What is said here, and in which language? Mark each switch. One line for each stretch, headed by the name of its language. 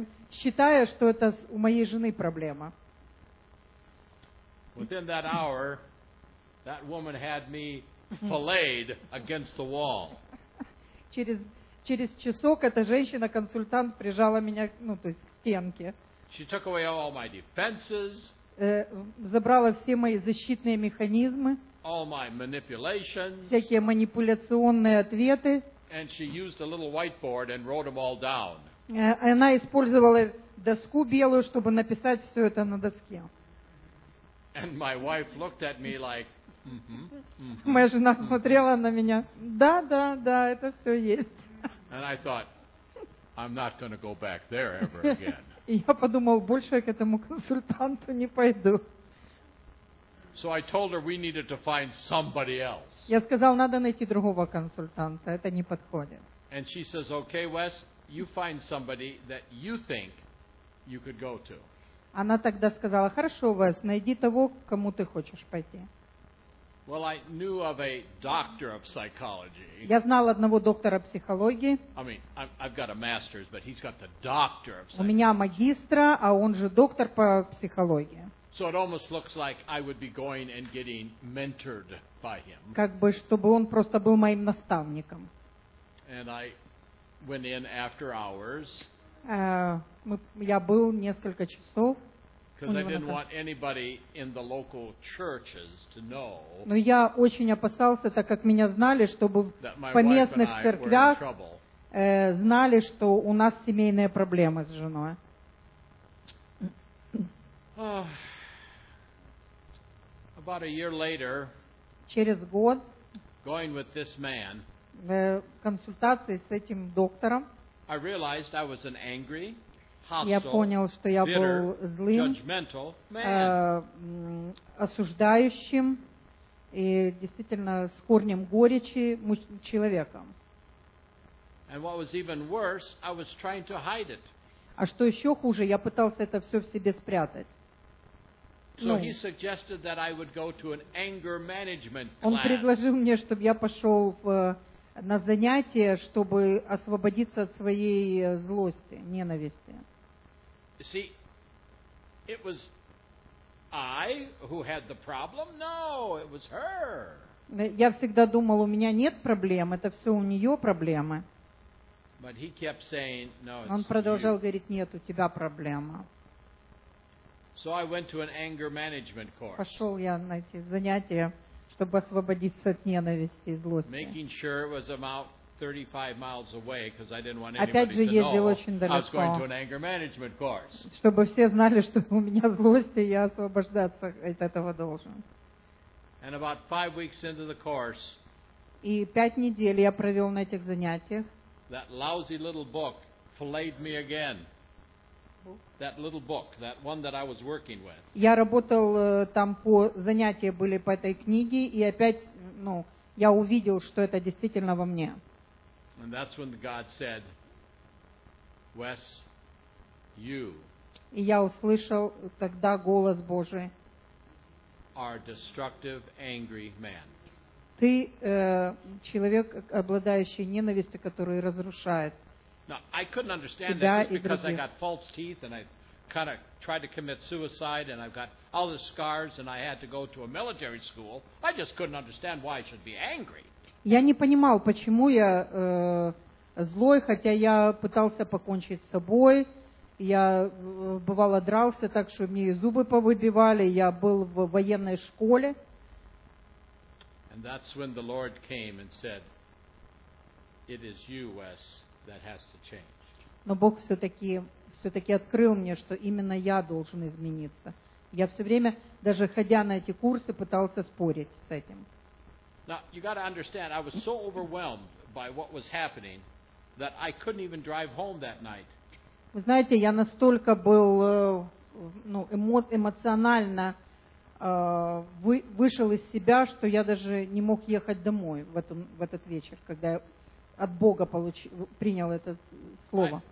Russian: Считая, что это у моей жены проблема.
English: Within that hour, that woman had me filleted against the wall.
Russian: Через часок эта женщина-консультант прижала меня, ну, то есть к стенке.
English: She took away all my defenses.
Russian: Забрала все мои защитные механизмы.
English: All my manipulations.
Russian: Всякие манипуляционные ответы.
English: And she used a little whiteboard and wrote them all down.
Russian: Она использовала доску белую, чтобы написать все это на доске.
English: And my wife looked at me like,
Russian: Моя жена смотрела на меня. Да, да, да, это все есть.
English: And I thought, I'm not going to go back there ever again.
Russian: И я подумал, больше я к этому консультанту не пойду.
English: So I told her we needed to find somebody else.
Russian: Я сказал, надо найти другого консультанта, это не подходит.
English: And she says, okay, Wes, you find somebody that you think you could go to.
Russian: Она тогда сказала, хорошо, Wes, найди того, к кому ты хочешь пойти.
English: Well, I knew of a doctor of psychology.
Russian: Я знал одного доктора психологии.
English: I mean, I've got a master's, but he's got the doctor of psychology.
Russian: У меня магистра, а он же доктор по психологии.
English: So it almost looks like I would be going and getting mentored by him.
Russian: Как бы, чтобы он просто был моим наставником.
English: And I went in after hours.
Russian: Я был несколько часов.
English: Because I didn't want anybody in the local churches to know.
Russian: Но я очень опасался, так как меня знали, чтобы по местных церквях знали, что у нас семейные проблемы с женой.
English: About a year later,
Russian: через год,
English: going with this man,
Russian: в консультации с этим доктором,
English: I realized I was an angry, hostile,
Russian: я понял, что я
English: bitter,
Russian: был злым,
English: judgmental man.
Russian: Осуждающим и действительно с корнем горечи человеком.
English: And what was even worse, I was trying to hide it.
Russian: А что еще хуже, я пытался это все в себе спрятать.
English: So he suggested that I would go to an anger management class.
Russian: Он предложил мне, чтобы я пошел на занятие, чтобы освободиться от своей злости, ненависти.
English: See, it was I who had the problem? No, it was her.
Russian: Я всегда думал, у меня нет проблем, это все у нее проблемы.
English: But he kept saying, no, it's
Russian: Он продолжал говорить, нет, у тебя проблема.
English: So I went to an anger management course.
Russian: Пошел я на эти занятия, чтобы освободиться от ненависти и злости.
English: Making sure it was about 35 miles away because I didn't want anybody to know I was going to an anger management course.
Russian: Чтобы все знали, что у меня злость, и я освобождаться от этого должен.
English: And about 5 weeks into the course,
Russian: и 5 недель я провел на этих занятиях,
English: that lousy little book filleted me again. That little book, that one that I was working with.
Russian: Я работал там по занятия были по этой книге, и опять, ну, я увидел, что это действительно во мне.
English: And that's when God said, Wes, you.
Russian: И я услышал тогда голос Божий.
English: Are destructive, angry man.
Russian: Ты человек, обладающий ненавистью, который разрушает.
English: Now, I couldn't understand that just because I got false teeth and I kind of tried to commit suicide and I've got all the scars and I had to go to a military school. I just couldn't understand why I should be angry.
Russian: Я не понимал, почему я злой, хотя я пытался покончить с собой. Я бывало дрался так, что мне зубы повыбивали. Я был в военной школе.
English: And that's when the Lord came and said, "It is you, Wes." That has to change.
Russian: Но Бог все-таки открыл мне, что именно я должен измениться. Я все время, даже ходя на эти курсы, пытался спорить с этим.
English: Now you got to understand, I was so overwhelmed by what was happening that I couldn't even drive home that night.
Russian: Вы знаете, я настолько был, ну, эмоционально вышел из себя, что я даже не мог ехать домой в этот вечер, когда я от Бога принял это слово.